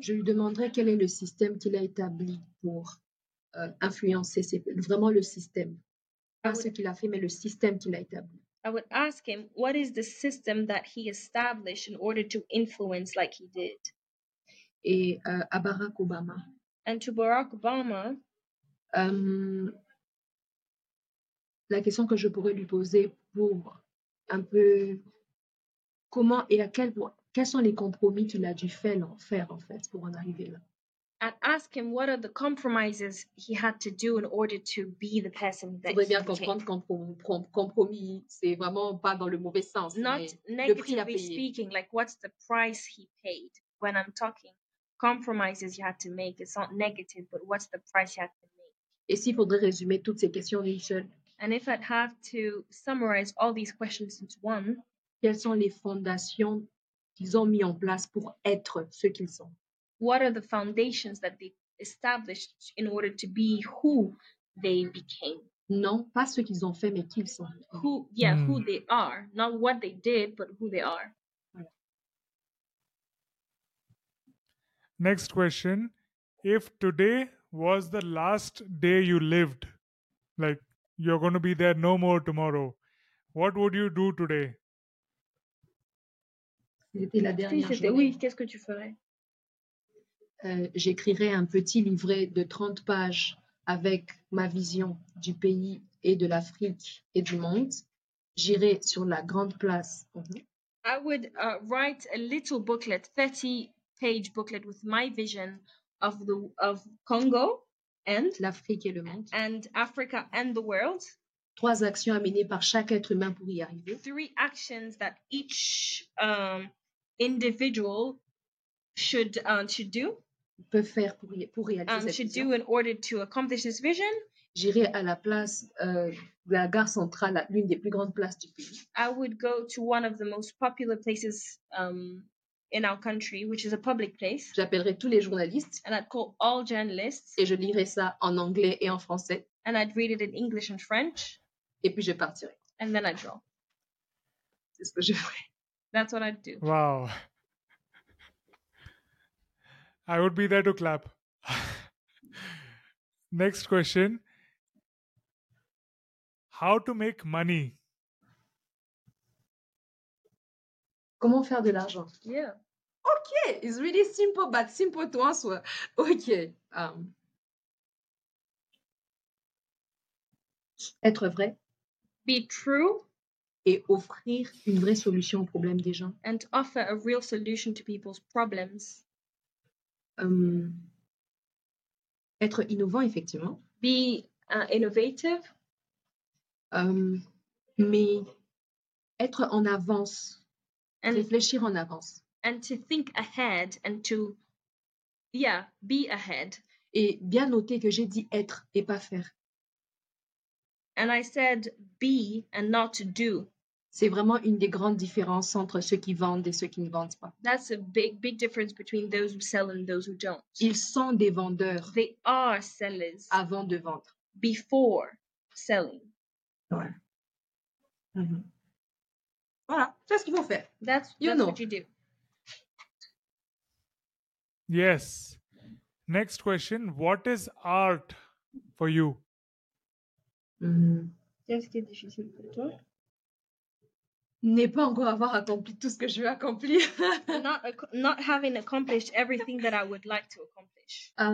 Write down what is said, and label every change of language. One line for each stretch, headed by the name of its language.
French: Je lui demanderai quel est le système qu'il a établi pour influencer vraiment le système. Pas ce qu'il a fait, mais le système qu'il a établi.
English: I would ask him, what is the system that he established in order to influence like he did?
French: Et à Barack Obama.
English: And to Barack Obama.
French: La question que je pourrais lui poser pour un peu comment et à quel point, quels sont les compromis qu'il a dû faire en fait pour en arriver là.
English: And ask him what are the compromises he had to do in order to be the person that he became.
French: Faudrait bien comprendre compromis, c'est vraiment pas dans le mauvais sens.
English: Not
French: mais
English: negatively
French: le prix à payer.
English: Speaking, like what's the price he paid when I'm talking compromises you had to make. It's not negative, but what's the price you had to make.
French: Et s'il faudrait résumer toutes ces questions d'une seule.
English: And if I'd have to summarize all these questions into one.
French: Quelles sont les fondations qu'ils ont mis en place pour être ce qu'ils sont?
English: What are the foundations that they established in order to be who they became?
French: Non, pas ce qu'ils ont fait, mais qui ils sont.
English: Who, yeah, who they are. Not what they did, but who they are. Next question. If today was the last day you lived, like you're going to be there no more tomorrow, what would you do today?
French: C'était la dernière journée. Oui, qu'est-ce que tu ferais? J'écrirais un petit livret de 30 pages avec ma vision du pays et de l'Afrique et du monde. J'irai sur la grande place.
English: I would write a little booklet, 30-page booklet with my vision of Congo and
French: l'Afrique et le monde.
English: And Africa and the world.
French: Trois actions à mener par chaque être humain pour y arriver.
English: Three actions that each individual should do.
French: Peut faire pour réaliser cette vision.
English: Should do in order to accomplish this vision.
French: J'irai à la place de la gare centrale, l'une des plus grandes places du pays.
English: I would go to one of the most popular places in our country, which is a public place.
French: J'appellerai tous les journalistes.
English: And I'd call all journalists.
French: Et je lirai ça en anglais et en français.
English: And I'd read it in English and French.
French: Et puis je partirai.
English: And then I'd draw.
French: C'est ce que je ferai.
English: That's what I'd do. Wow. I would be there to clap. Next question. How to make money?
French: Comment faire de l'argent?
English: Yeah. Okay, it's really simple, but simple to answer. Okay.
French: Être vrai.
English: Be true.
French: Et offrir une vraie solution aux problèmes des gens.
English: And offer a real solution to people's problems.
French: Être innovant, effectivement.
English: Be innovative.
French: Mais être en avance. And réfléchir en avance.
English: And to think ahead and to, yeah, be ahead.
French: Et bien noter que j'ai dit être et pas faire.
English: And I said be and not do.
French: C'est vraiment une des grandes différences entre ceux qui vendent et ceux qui ne vendent pas.
English: That's a big, big difference between those who sell and those who don't.
French: Ils sont des vendeurs.
English: They are sellers.
French: Avant de vendre.
English: Before selling.
French: Ouais. Mm-hmm. Voilà, c'est ce qu'il faut faire.
English: That's what you do. Yes. Next question. What is art for you?
French: Qu'est-ce qui est difficile pour toi? N'est pas encore avoir accompli tout ce que je veux accomplir.
English: not having accomplished everything that I would like to accomplish.